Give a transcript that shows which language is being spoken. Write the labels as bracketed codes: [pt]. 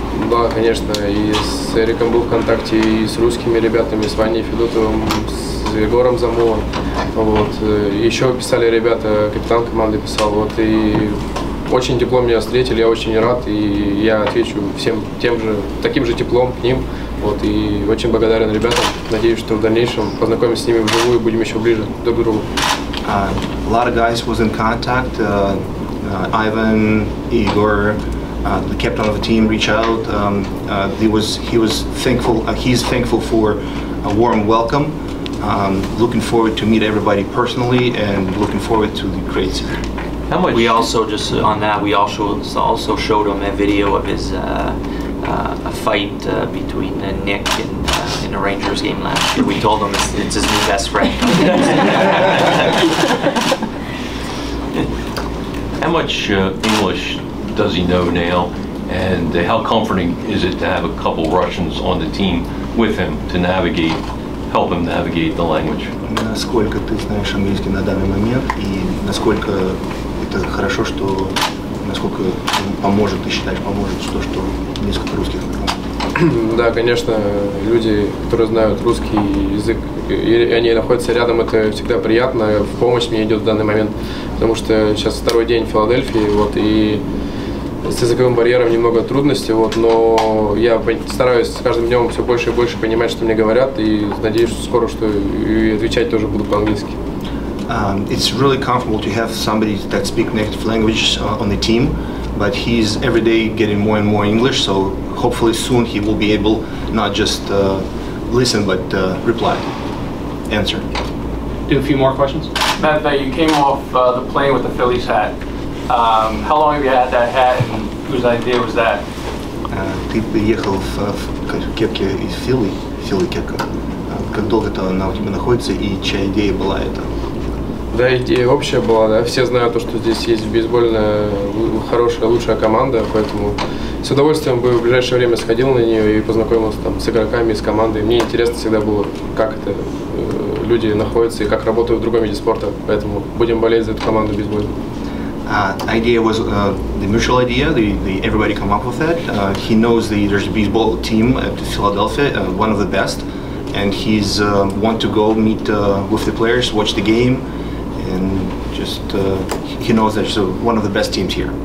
[ru] Да, конечно, и с Эриком был в контакте, и с русскими ребятами, с Ваней Федотовым, с Егором Замовым. Вот. Еще писали ребята, капитан команды писал, вот, и очень тепло меня встретили, я очень рад, и я отвечу всем тем же, таким же теплом к ним. Вот, и очень благодарен ребятам. Надеюсь, что в дальнейшем познакомимся с ними вживую и будем еще ближе друг к другу. [en] A lot of guys was in contact. Ivan, Igor, the captain of the team, reached out. He's thankful for a warm welcome. Looking forward to meet everybody personally and looking forward to the crates. How much? We also just on that we also showed him a video of his a fight between Nick and in a Rangers game last year. We told him it's his new best friend. How much English does he know now, and how comforting is it to have a couple Russians on the team with him to navigate? Help him navigate the language. [ru] Насколько ты знаешь английский на данный момент, и насколько это хорошо, что насколько поможет, ты считаешь, поможет то, что несколько русских. Да, конечно, люди, которые знают русский язык, и они находятся рядом, это всегда приятно. В помощь мне идет в данный момент, потому что сейчас второй день в Филадельфии, вот и. С языковым барьером немного трудности, вот, но я стараюсь с каждым днем все больше и больше понимать, что мне говорят, и надеюсь, что скоро что и отвечать тоже буду по-английски. [en] It's really comfortable to have somebody that speaks native language on the team, but he's every day getting more and more English, so hopefully soon he will be able not just listen, but reply, answer. Do a few more questions. Matvei, you came off the plane with the Phillies hat. How long have you had that hat, and whose idea was that? [ru] Ты приехал в кепке из Филли кепка. Как долго это она у тебя находится, и чья идея была это? Да, идея общая была, да. Все знают то, что здесь есть бейсбольная хорошая, лучшая команда, поэтому с удовольствием бы в ближайшее время сходил на нее и познакомился там с игроками, с командой. Мне интересно всегда было, как это люди находятся и как работают в другом виде спорта, поэтому будем болеть за эту команду бейсбольную. [en] Idea was the mutual idea. The everybody come up with that. He knows the there's a baseball team at Philadelphia, one of the best, and he's want to go meet with the players, watch the game, and just he knows there's one of the best teams here.